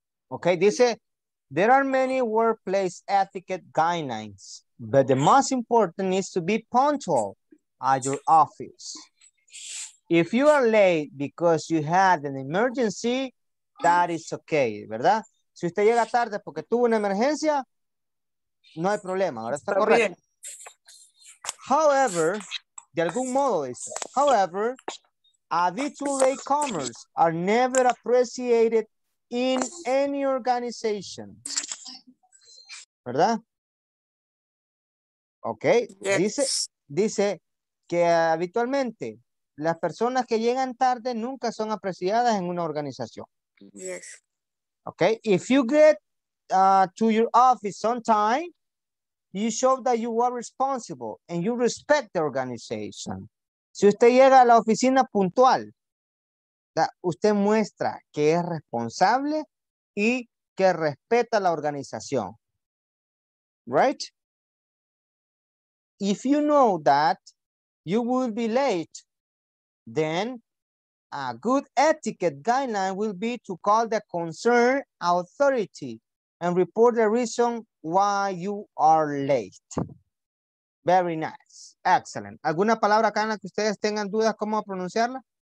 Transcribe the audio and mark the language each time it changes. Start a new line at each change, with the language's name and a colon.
English: Okay, dice, there are many workplace etiquette guidelines, but the most important is to be punctual at your office. If you are late because you had an emergency, that is okay, ¿verdad?
Spanish: Si usted llega tarde porque tuvo una emergencia, no hay problema, ¿verdad?
English: Está correcto. Bien. However, de algún modo dice, however, habitual latecomers are never appreciated in any organization. ¿Verdad? Ok. Yes.
Spanish: Dice que habitualmente las personas que llegan tarde nunca son apreciadas en una organización.
English: Yes. Okay. If you get to your office on time, you show that you are responsible and you respect the organization.
Spanish: Si usted llega a la oficina puntual, usted muestra que es responsable y que respeta la organización.
English: Right? If you know that you will be late, then a good etiquette guideline will be to call the concerned authority and report the reason why you are late. Very nice. Excellent.
Spanish: ¿Alguna palabra acá en la que ustedes tengan dudas cómo pronunciarla?